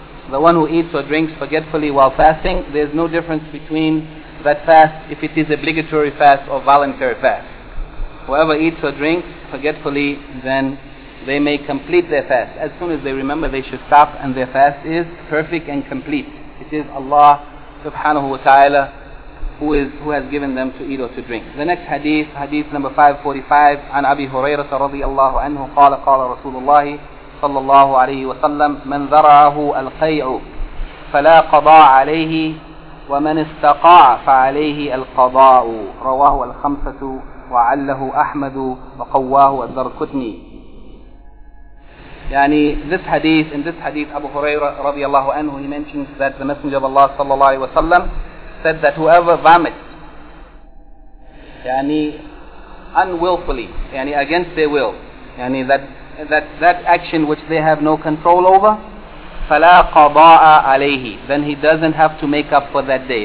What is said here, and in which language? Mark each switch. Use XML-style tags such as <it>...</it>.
<en>The one who eats or drinks forgetfully while fasting, there is no difference between that fast if it is obligatory fast or voluntary fast. Whoever eats or drinks forgetfully, then they may complete their fast. As soon as they remember, they should stop, and their fast is perfect and complete. It is Allah subhanahu wa ta'ala who has given them to eat or to drink. The next hadith, hadith number 545,</en> <ar>عن أبي هريرة رضي الله عنه قال قال رسول الله صلى الله عليه وسلم من ذرعه القيع فلا قضاء عليه ومن استقاع فعليه القضاء رواه الخمسة وعله أحمد وقواه الدركتني.</ar> <en>Yani, in this hadith, Abu Hurairah radiallahu anhu, he mentions that the Messenger of Allah sallallahu alayhi wa sallam said that whoever vomits, yani, unwillfully, yani, against their will, yani, that action which they have no control over,</en> <ar>فَلَا قَضَاءَ عَلَيْهِ,</ar> <en>then he doesn't have to make up for that day.</en>